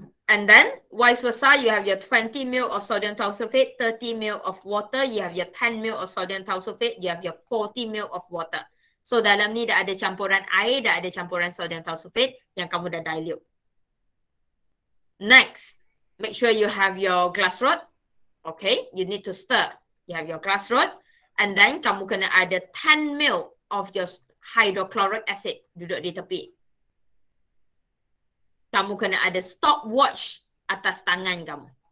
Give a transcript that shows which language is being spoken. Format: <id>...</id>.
<en>And then, vice versa, you have your 20 ml of sodium tiosulfate, 30 ml of water, you have your 10 ml of sodium tiosulfate, you have your 40 ml of water.</en> <ms>So, dalam ni dah ada campuran air, dah ada campuran sodium tiosulfate yang kamu dah dilute.</ms> <en>Next, make sure you have your glass rod. Okay, you need to stir. You have your glass rod. And then,</en> <ms>kamu kena ada</ms> <en>10 ml of your hydrochloric acid</en> <ms>duduk di tepi. Kamu kena ada stopwatch atas tangan kamu.</ms>